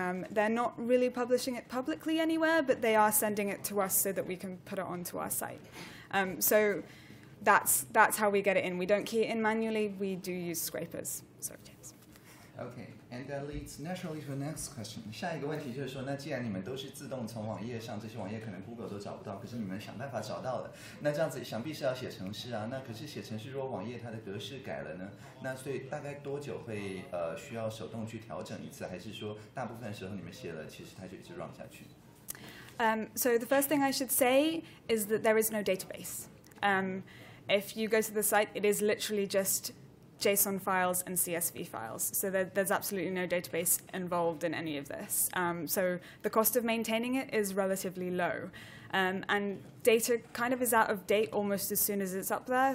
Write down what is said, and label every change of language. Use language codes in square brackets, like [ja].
[en] They're not really publishing it publicly anywhere, but they are sending it to us so that we can put it onto our site. That's how we get it in. We don't key it in manually. We do use scrapers. Sorry, James. Okay, and that leads naturally to the next question. [zh] 下一个问题就是说，那既然你们都是自动从网页上，这些网页可能 Google 都找不到，可是你们想办法找到的，那这样子想必是要写程式啊。那可是写程式，如果网页它的格式改了呢？那所以大概多久会需要手动去调整一次？还是说大部分时候你们写了，其实它就一直 run 下去？ [en] So the first thing I should say is that there is no database. If you go to the site, it is literally just JSON files and CSV files. So there's absolutely no database involved in any of this. So the cost of maintaining it is relatively low. And data kind of is out of date almost as soon as it's up there.